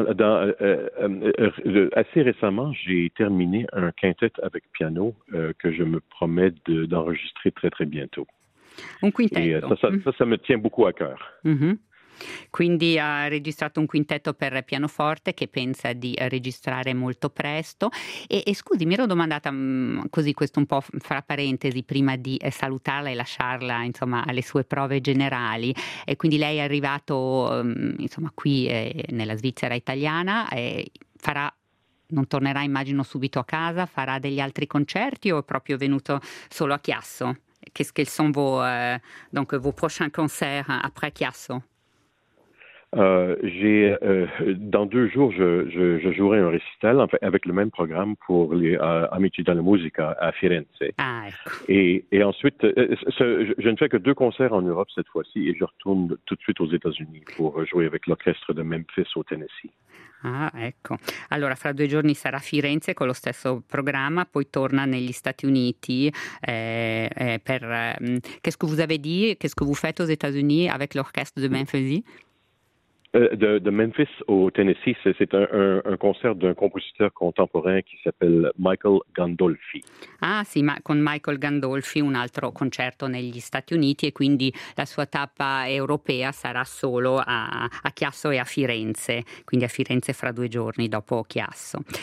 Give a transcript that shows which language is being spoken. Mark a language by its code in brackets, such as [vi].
[fr] assez récemment j'ai terminé un quintet avec piano que je me promets d'enregistrer très très bientôt. [it] Un quintetto. [fr] Ça me tient beaucoup à cœur. [it] Quindi ha registrato un quintetto per pianoforte che pensa di registrare molto presto. E scusi, mi ero domandata così questo un po' fra parentesi prima di salutarla e lasciarla insomma alle sue prove generali. E quindi lei è arrivato insomma qui nella Svizzera italiana e farà, non tornerà immagino subito a casa, farà degli altri concerti o è proprio venuto solo a Chiasso? [fr] Qu'est-ce qu'ils sont vos prochains concerts après Chiasso? Dans 2 jours, je jouerai un récital en fait, avec le même programme pour les Amici della Musica à Firenze. [it] Ah, ecco. [fr] Et ensuite, je ne fais que 2 concerts en Europe cette fois-ci et je retourne tout de suite aux États-Unis pour jouer avec l'orchestre de Memphis au Tennessee. [it] Ah, ecco. Allora, fra 2 giorni sarà a Firenze con lo stesso programma, poi torna negli Stati Uniti. [fr] Qu'est-ce que vous avez dit? Qu'est-ce que vous faites aux États-Unis avec l'orchestre de Memphis? De Memphis au Tennessee, c'est un concert d'un compositeur contemporain qui s'appelle Michael Gandolfi. [it] Ah sì, ma con Michael Gandolfi un altro concerto negli Stati Uniti e quindi la sua tappa europea sarà solo a Chiasso e a Firenze, quindi a Firenze fra 2 giorni dopo Chiasso.